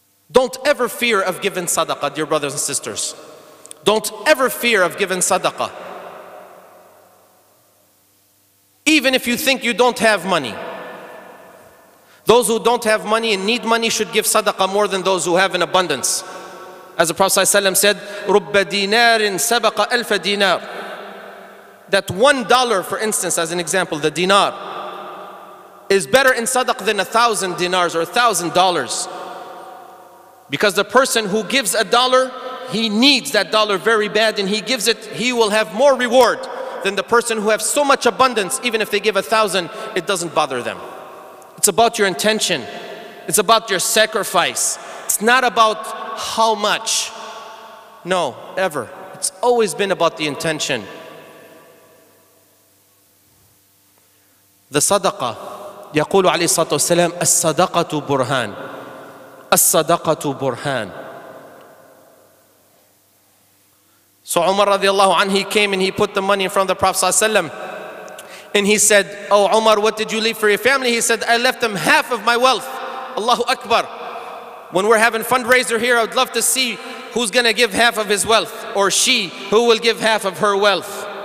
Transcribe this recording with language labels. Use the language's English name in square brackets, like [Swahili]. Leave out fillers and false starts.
[English] Don't ever fear of giving sadaqah, dear brothers and sisters. Don't ever fear of giving sadaqah. Even if you think you don't have money. Those who don't have money and need money should give sadaqah more than those who have an abundance. As the Prophet ﷺ said, [Arabic] رُبَّ دِينَارٍ سَبَقَ أَلْفَ دِينَارٍ. [English] That $1, for instance, as an example, the dinar, is better in sadaq than 1,000 dinars or $1,000. Because the person who gives a dollar, he needs that dollar very bad and he gives it, he will have more reward than the person who have so much abundance. Even if they give 1,000, it doesn't bother them. It's about your intention. It's about your sacrifice. It's not about how much. No, ever. It's always been about the intention. The sadaqah. [Arabic] يقول عليه الصلاة والسلام الصدقة برهان الصدقة برهان. [English] So Umar رضي الله عنه, he came and he put the money in front of the Prophet صلى الله عليه وسلم and he said, oh Umar, what did you leave for your family? He said, I left them half of my wealth. Allahu Akbar. When we're having fundraiser here, I'd love to see who's going to give half of his wealth, or she, who will give half of her wealth.